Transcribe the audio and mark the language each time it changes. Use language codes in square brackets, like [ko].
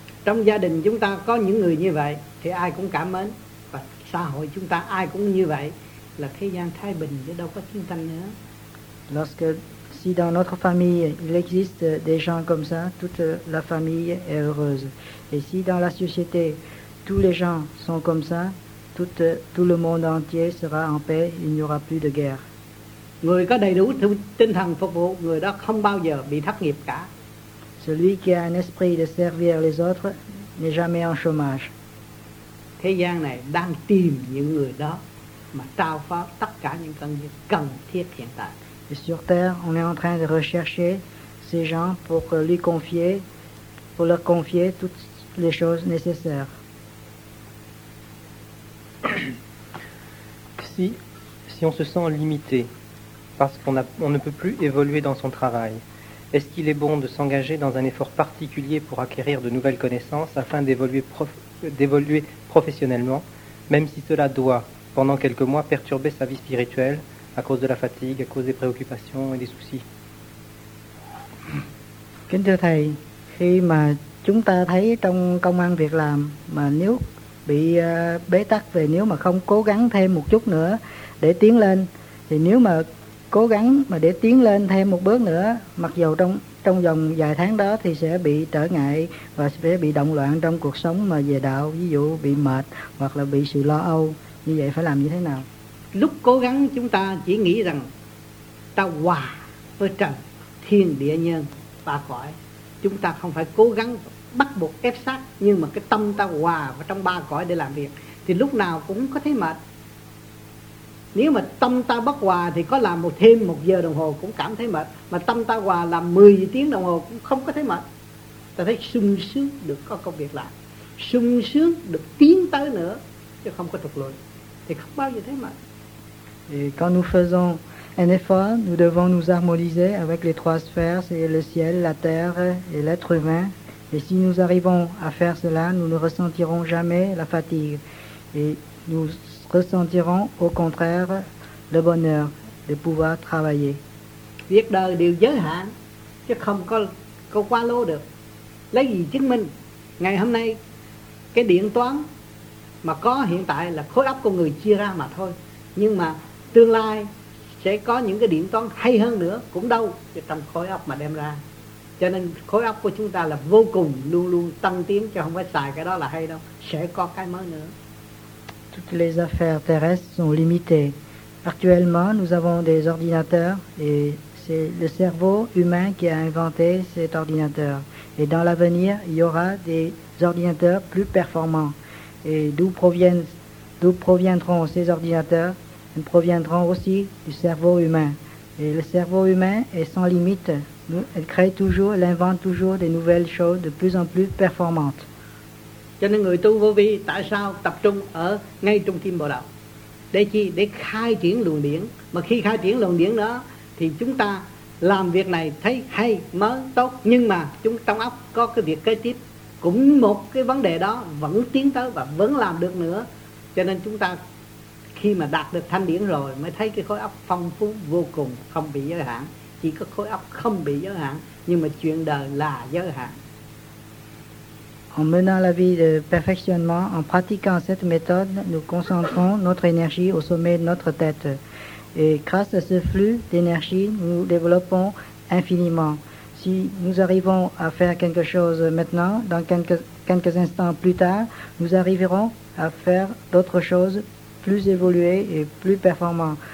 [vi] Trong gia đình chúng ta có những người như vậy thì ai cũng cảm mến, và xã hội chúng ta ai cũng như vậy là thế gian thái bình chứ đâu có chiến tranh nữa. [fr] Lorsque si dans notre famille il existe des gens comme ça, toute la famille est heureuse. Et si dans la société tous les gens sont comme ça, tout le monde entier sera en paix, il n'y aura plus de guerre. [vi] Người có đầy đủ tinh thần phục vụ, người đó không bao giờ bị thất nghiệp cả. [fr] Celui qui a un esprit de servir les autres n'est jamais en chômage. [vi] Thế gian này đang tìm những người đó mà trao phó tất cả những công việc cần thiết hiện tại. [fr] Et sur terre, on est en train de rechercher ces gens pour lui confier, pour leur confier toutes les choses nécessaires. Si on se sent limité parce qu'on ne peut plus évoluer dans son travail, est-ce qu'il est bon de s'engager dans un effort particulier pour acquérir de nouvelles connaissances afin d'évoluer professionnellement, même si cela doit, pendant quelques mois, perturber sa vie spirituelle à cause de la fatigue, à cause des préoccupations et des soucis? [vi] Kính thưa thầy, khi mà chúng ta thấy trong công ăn việc làm mà nếu bị bế tắc về, nếu mà không cố gắng thêm một chút nữa để tiến lên, thì nếu mà cố gắng mà để tiến lên thêm một bước nữa, mặc dù trong vòng vài tháng đó thì sẽ bị trở ngại và sẽ bị động loạn trong cuộc sống mà về đạo, ví dụ bị mệt hoặc là bị sự lo âu, như vậy phải làm như thế nào? Lúc cố gắng chúng ta chỉ nghĩ rằng ta hòa với trần thiên địa nhân ba cõi, chúng ta không phải cố gắng bắt buộc ép sát, nhưng mà cái tâm ta hòa vào trong ba cõi để làm việc thì lúc nào cũng có thấy mệt. Nếu mà tâm ta bất hòa thì có làm một thêm một giờ đồng hồ cũng cảm thấy mệt, mà tâm ta hòa làm 10 tiếng đồng hồ cũng không có thấy mệt. Ta thấy sung sướng được có công việc làm, sung sướng được tiến tới nữa chứ không có tụt lùi, thì không bao giờ thấy mệt. [fr] Et quand nous faisons En effet, nous devons nous harmoniser avec les trois sphères, c'est le ciel, la terre et l'être humain. Et si nous arrivons à faire cela, nous ne ressentirons jamais la fatigue. Et nous ressentirons au contraire le bonheur de pouvoir travailler. [vi] Việc đời đều giới hạn, chứ không có câu qua lô được. Lấy gì chứng minh? Ngày hôm nay, cái điện toán mà có hiện tại là khối óc con người chia ra mà thôi. Nhưng mà tương lai sẽ có những cái điện toán hay hơn nữa, cũng đâu trong khối óc mà đem ra. Cho nên khối óc của chúng ta là vô cùng, luôn luôn tăng tiến, chứ không phải xài cái đó là hay đâu. Sẽ có cái mới nữa. [fr] Toutes les affaires terrestres sont limitées. Actuellement, nous avons des ordinateurs et c'est le cerveau humain qui a inventé cet ordinateur. Et dans l'avenir, il y aura des ordinateurs plus performants. Et d'où proviendront ces ordinateurs? Ils proviendront aussi du cerveau humain. Et le cerveau humain est sans limite. Elle crée toujours, elle invente toujours des nouvelles choses de plus en plus performantes. [vi] Cho nên người tu vô vi tại sao tập trung ở ngay trung tâm bộ đạo? Để chi? Để khai triển luồng điển. Mà khi khai triển luồng điển đó thì chúng ta làm việc này thấy hay, mới, tốt. Nhưng mà chúng trong óc có cái việc kế tiếp, cũng một cái vấn đề đó vẫn tiến tới và vẫn làm được nữa. Cho nên chúng ta khi mà đạt được thanh điển rồi mới thấy cái khối óc phong phú vô cùng, không bị giới hạn. Chỉ có khối óc không bị giới hạn, nhưng mà chuyện đời là giới hạn. [fr] En menant la vie de perfectionnement, en pratiquant cette méthode, nous concentrons notre énergie au sommet de notre tête. Et grâce à ce flux d'énergie, nous développons infiniment. Si nous arrivons à faire quelque chose maintenant, dans quelques instants plus tard, nous arriverons à faire d'autres choses plus évoluées et plus performantes.